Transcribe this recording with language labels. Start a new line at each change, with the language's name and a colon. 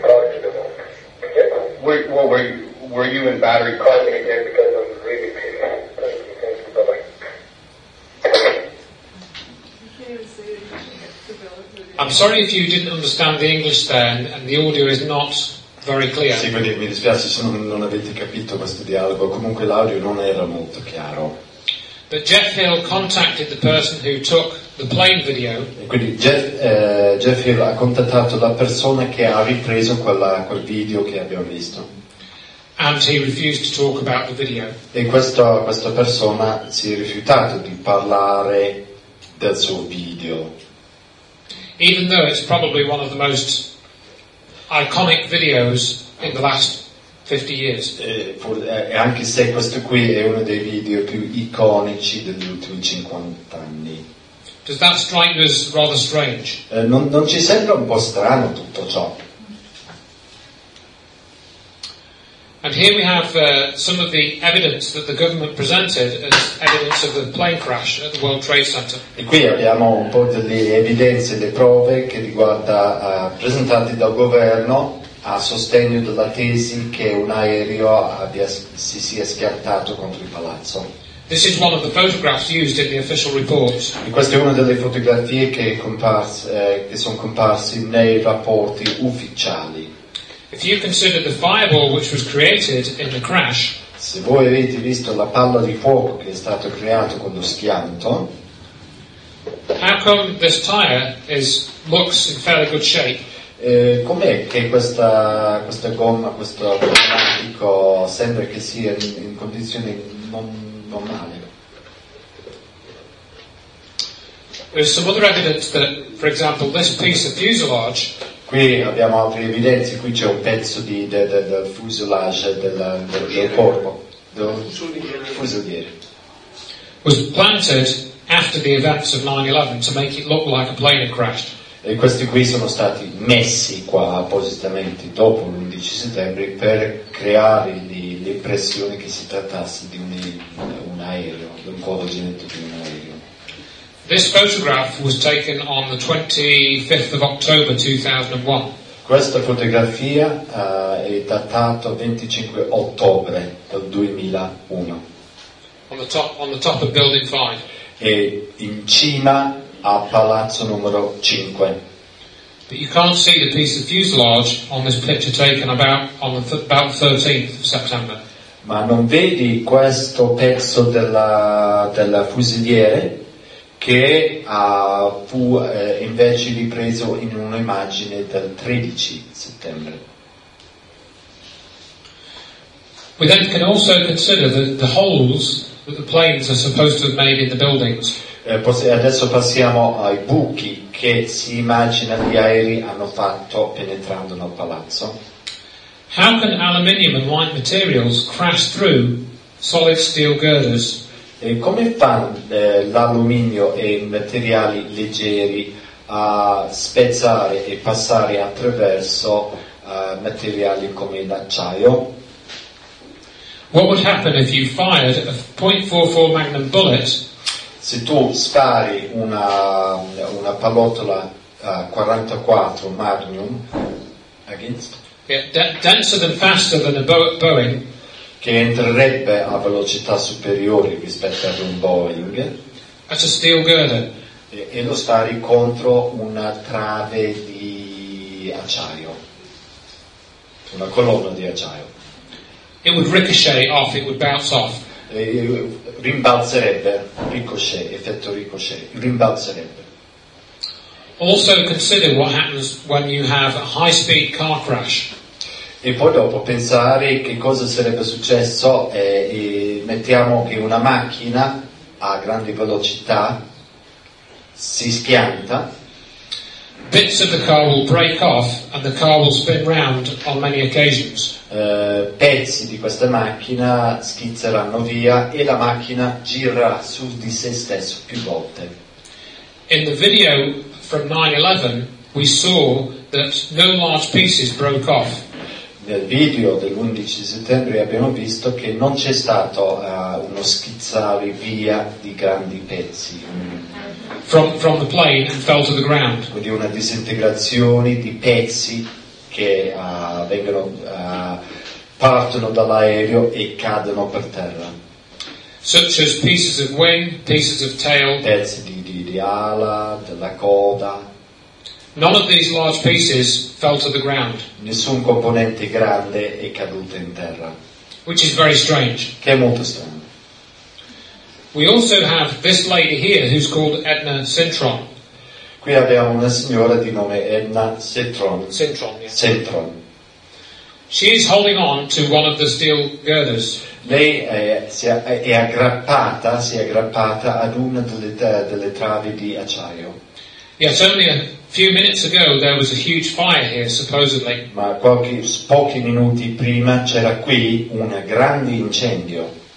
English: I talked to them. Were you in battery calling me again because I'm really busy. Thank you, bye-bye. You can't even say that you I'm sorry if you didn't understand the English there and the audio is not... Very clear.
Italian: Sì, quindi mi dispiace se non avete capito questo dialogo. Comunque l'audio non era molto chiaro.
English: But Jeff Hill contacted the person who took the plane video.
Italian: E quindi Jeff Hill ha contattato la persona che ha ripreso quel video che abbiamo visto.
English: And he refused to talk about the video.
Italian: E questa persona si è rifiutato di parlare del suo video.
English: Even though it's probably one of the most iconic videos in the last 50 years.
Italian: E anche se questo qui è uno dei video più iconici degli ultimi 50 anni.
English: Does that strike you as rather strange?
Italian: Non ci sembra un po' strano tutto ciò?
English: And here we have some of the evidence that the government presented as evidence of the plane crash at the World Trade Center.
Italian: E qui abbiamo un po' delle evidenze, delle prove che riguarda presentate dal governo a sostegno della tesi che un aereo si sia schiantato contro il palazzo.
English: This is one of the photographs used in the official report.
Italian: E questa è una delle fotografie che sono comparse nei rapporti ufficiali.
English: If you consider the fireball which was created in the crash,
Italian: se voi avete visto la palla di fuoco che è stato creato con lo schianto,
English: how come this tire looks in fairly good shape?
Italian: Com'è che questa gomma, questo pneumatico sembra che sia in condizioni non male?
English: There's some other evidence that, for example, this piece of fuselage.
Italian: Qui abbiamo altre evidenze, qui c'è un pezzo del fuselage del corpo, del fusoliere.
English: Was planted after the events of 9/11 to make it look like a plane had crashed.
Italian: E questi qui sono stati messi qua appositamente dopo l'11 settembre per creare l'impressione che si trattasse di un aereo, di un volo genetico di un aereo.
English: This photograph was taken on the 25th of October 2001.
Italian: Questa fotografia è datata 25 ottobre del 2001.
English: On the top of Building 5.
Italian: E in cima a Palazzo numero 5.
English: But you can't see the piece of fuselage on this picture taken about the 13th of September.
Italian: Ma non vedi questo pezzo della fusiliere? Che fu invece ripreso in un'immagine del 13 settembre.
English: We then can also consider the holes that the planes are supposed to have made in the buildings.
Italian: Adesso passiamo ai buchi che si immagina gli aerei hanno fatto penetrando nel palazzo.
English: How can aluminium and white materials crash through solid steel girders?
Italian: E come fanno l'alluminio e i materiali leggeri a spezzare e passare attraverso materiali come l'acciaio?
English: What would happen if you fired a 0.44 magnum bullet?
Italian: Se tu spari una pallottola 44 magnum
English: against? Yeah, denser than faster than a Boeing.
Italian: Che entrerebbe a velocità superiori rispetto ad un Boeing.
English: That's a steel girder.
Italian: E lo stari contro una trave di acciaio. Una colonna di acciaio.
English: It would ricochet off, it would bounce off.
Italian: Rimbalzerebbe, ricochet, effetto ricochet, rimbalzerebbe.
English: Also consider what happens when you have a high-speed car crash.
Italian: E poi dopo pensare che cosa sarebbe successo, mettiamo che una macchina a grande velocità si schianta.
English: Bits of the car will break off and the car will spin round on many occasions.
Italian: Pezzi di questa macchina schizzeranno via e la macchina girerà su di se stesso più volte.
English: In the video from 9/11 we saw that no large pieces broke off.
Italian: Nel video dell'11 settembre abbiamo visto che non c'è stato uno schizzare via di grandi pezzi.
English: From the plane and fell to the ground.
Italian: Quindi una disintegrazione di pezzi che partono dall'aereo e cadono per terra.
English: Such as pieces of wing, pieces of tail.
Italian: Pezzi di ala, della coda.
English: None of these large pieces fell to the ground.
Italian: Nessun componente grande è caduto in terra.
English: Which is very strange.
Italian: Che è molto strano.
English: We also have this lady here who's called Edna Cintron.
Italian: Qui abbiamo una signora di nome Edna Cintron.
English: Cintron, yes.
Italian: Cintron.
English: She is holding on to one of the steel girders.
Italian: Lei si è aggrappata ad una delle travi di acciaio.
English: Yes, only a few minutes ago there was a huge fire here, supposedly.
Italian: Ma pochi minuti prima c'era qui un grande incendio.